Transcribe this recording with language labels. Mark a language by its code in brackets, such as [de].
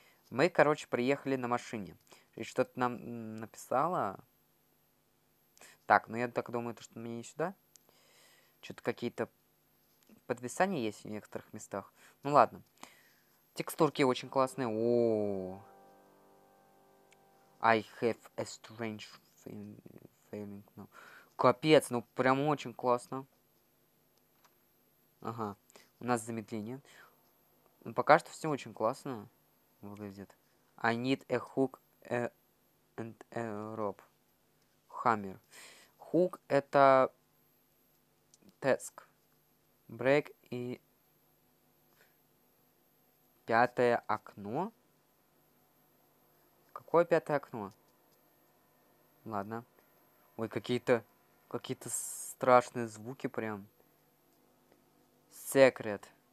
[ru] Мы, короче, приехали на машине. И что-то нам написало. Так, ну я так думаю, что мне не сюда. Что-то какие-то подвисания есть в некоторых местах. Ну ладно. Текстурки очень классные. О-о-о. [en] I have a strange feeling now. [ru] Капец, ну прям очень классно. Ага, у нас замедление. Ну, пока что все очень классно выглядит. [en] I need a hook and a rope. Hammer. [ru] Hook это task. Break и пятое окно. Какое пятое окно? Ладно. Ой, какие-то страшные звуки прям. Секрет.